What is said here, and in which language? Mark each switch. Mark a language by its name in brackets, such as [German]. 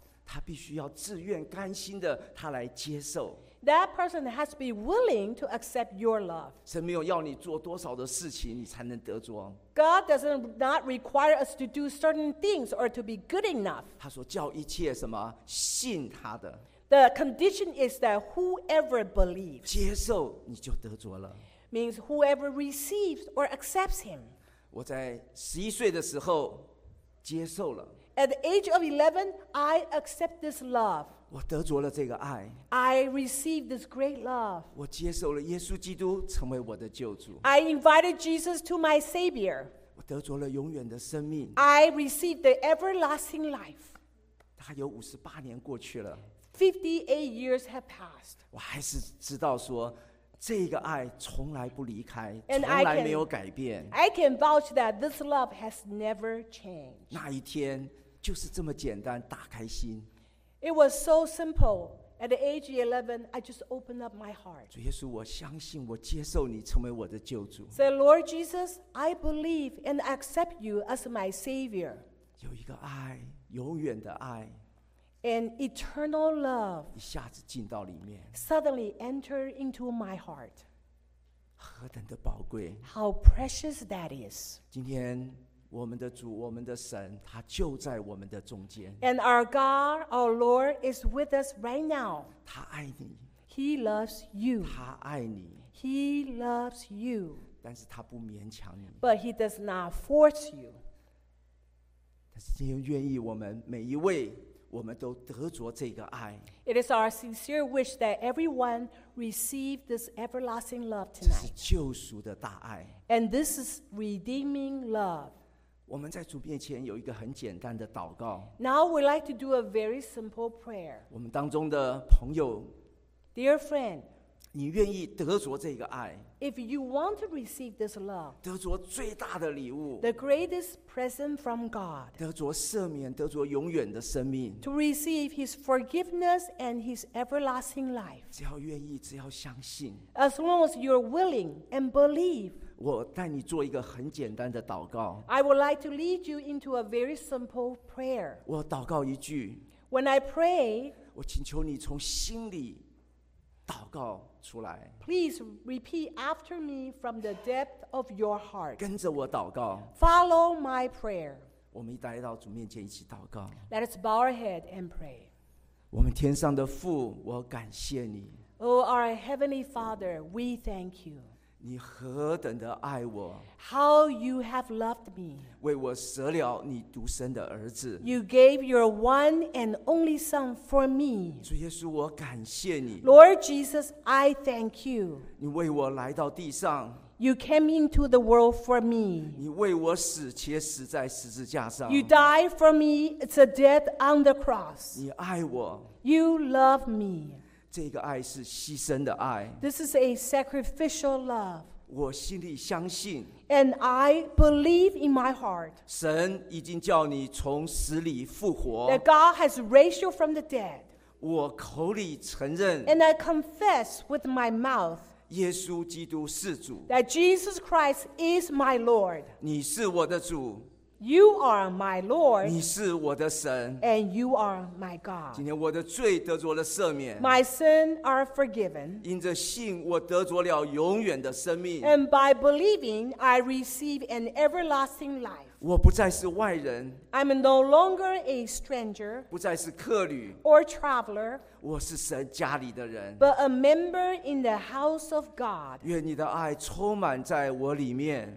[Chinese] 他必须要自愿甘心的，他来接受。 [English] That person has to be willing to accept your love. [Chinese] 神没有要你做多少的事情，你才能得着。 [English] God does not require us to do certain things or to be good enough. [Chinese] 他说叫一切什么信他的。 [English] The condition is that whoever believes, [Chinese] 接受你就得着了。 [English] Means whoever receives or accepts him. [Chinese] 我在十一岁的时候接受了。 [English] At the age of 11, I accept this love. [Chinese] 我得着了这个爱。 [English] I received this great love. [Chinese] 我接受了耶稣基督成为我的救主。 [English] I invited Jesus to my Savior. [Chinese] 我得着了永远的生命。 [English] I received the everlasting life. [Chinese] 还有58年过去了。 [English] 58 years have passed. [Chinese] 我还是知道说这个爱从来不离开，从来没有改变。 [English] I can vouch that this love has never changed. [Chinese] 那一天就是这么简单，打开心。 [English] It was so simple. At the age of 11, I just opened up my heart. [Chinese] 主耶稣，我相信，我接受你成为我的救主。 [English] Say, Lord Jesus, I believe and accept you as my Savior. [Chinese] 有一个爱，永远的爱。 [English] An eternal love. [Chinese] 一下子进到里面。 [English] Suddenly enter into my heart. [Chinese] 何等的宝贵。 [English] How precious that is. [Chinese] 今天我们的主，我们的神，他就在我们的中间。 [English] And our God, our Lord, is with us right now. [Chinese] 他爱你。 [English] He loves you. [Chinese] 他爱你。 [English] He loves you. [Chinese] 但是他不勉强你。 [English] But he does not force you. [Chinese] 但是今天愿意我们每一位，我们都得着这个爱。 [English] It is our sincere wish that everyone receive this everlasting love tonight. [Chinese] 这是救赎的大爱。 [English] And this is redeeming love. [Chinese] 我们在主面前有一个很简单的祷告。 [English] Now we like to do a very simple prayer. [Chinese] 我们当中的朋友 [English] ，Dear friend， [Chinese] 你愿意得着这个爱 [English] ？If you want to receive this love， [Chinese] 得着最大的礼物 [English] ，The greatest present from God， [Chinese] 得着赦免，得着永远的生命 [English] ，To receive His forgiveness and His everlasting life。 [Chinese] 只要愿意，只要相信 [English] ，As long as you're willing and believe。 [Chinese] 我带你做一个很简单的祷告。 [English] I would like to lead you into a very simple prayer. [Chinese] 我祷告一句。 [English] When I pray, [Chinese] 我请求你从心里祷告出来。 [English] Please repeat after me from the depth of your heart. [Chinese] 跟着我祷告。 [English] Follow my prayer. [Chinese] 我们一来到主面前一起祷告。 [English] Let us bow our head and pray. [Chinese] 我们天上的父，我感谢你。 [English] Oh, our heavenly Father, we thank you. [Chinese] 你何等的爱我 [English] How you have loved me [Chinese] 为我舍了你独生的儿子 [English] You gave your one and only son for me [Chinese] 主耶稣我感谢你 [English] Lord Jesus I thank you [Chinese] 你为我来到地上 [English] You came into the world for me [Chinese] 你为我死且死在十字架上 [English] You died for me it's a death on the cross [Chinese] 你爱我 [English] You love me [Chinese] 这个爱是牺牲的爱。 [English] This is a sacrificial love. [Chinese] 我心里相信。 [English] And I believe in my heart. [Chinese] 神已经叫你从死里复活。 [English] That God has raised you from the dead. [Chinese] 我口里承认。 [English] And I confess with my mouth. [Chinese] 耶稣基督是主。 [English] That Jesus Christ is my Lord. [Chinese] 你是我的主。 [English] You are my Lord. [Chinese] 你是我的神。 [English] And you are my God. [Chinese] 今天我的罪得着了赦免。 [English] My sins are forgiven. [Chinese] 因着信我得着了永远的生命。 [English] And by believing, I receive an everlasting life. [Chinese] 我不再是外人。 [English] I'm no longer a stranger. [Chinese] 不再是客旅。 [English] Or traveler. [Chinese] 我是神家里的人。 [English] But a member in the house of God. [Chinese] 愿你的爱充满在我里面。